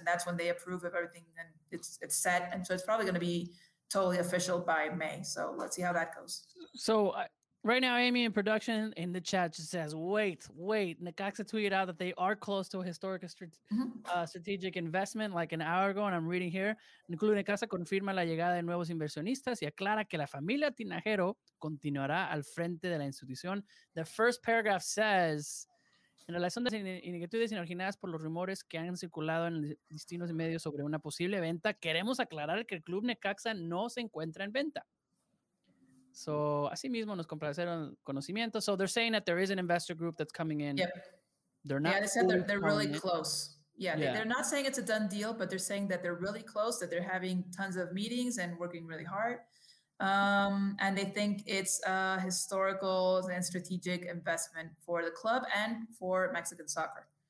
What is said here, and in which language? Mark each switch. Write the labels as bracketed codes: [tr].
[en] And that's when they approve of everything and it's set. And so it's probably going to be totally official by May. So let's see how that goes. So right now, Amy in production in the chat just says, wait. Necaxa tweeted out that they are close to a historic strategic investment like an hour ago. And I'm reading here. [es] Club Necaxa confirma la llegada de nuevos inversionistas y aclara que la familia Tinajero continuará al frente de la institución. [en] The first paragraph says, [es] en relación a las inquietudes originadas por los rumores que han circulado en distintos medios sobre una posible venta, queremos aclarar que el Club Necaxa no se encuentra en venta. So, así mismo nos complacieron conocimiento. [en] So, they're saying that there is an investor group that's coming in. Yep. They're not. Yeah, they said they're really close. Yeah, yeah. They're not saying it's a done deal, but they're saying that they're really close, that they're having tons of meetings and working really hard. And they think it's a historical and strategic investment for the club and for Mexican soccer.